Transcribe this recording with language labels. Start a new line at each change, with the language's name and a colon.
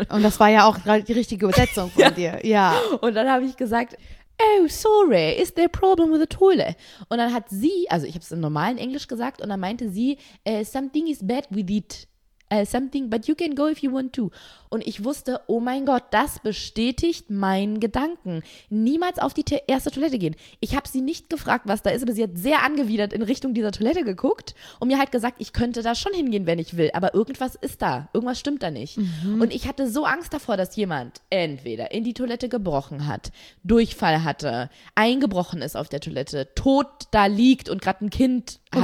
German: Und das war ja auch gerade die richtige Übersetzung von dir. Ja. Und dann habe ich gesagt,
English: oh, sorry, is there a problem with the toilet?
German: Und dann hat sie, also ich habe es im normalen Englisch gesagt, und dann meinte sie,
English: something is bad with it. something, but you can go if you want to.
German: Und ich wusste, oh mein Gott, das bestätigt meinen Gedanken. Niemals auf die erste Toilette gehen. Ich habe sie nicht gefragt, was da ist, aber sie hat sehr angewidert in Richtung dieser Toilette geguckt und mir halt gesagt, ich könnte da schon hingehen, wenn ich will, aber irgendwas ist da, irgendwas stimmt da nicht. Mhm. Und ich hatte so Angst davor, dass jemand entweder in die Toilette gebrochen hat, Durchfall hatte, eingebrochen ist auf der Toilette, tot da liegt und gerade ein Kind halt.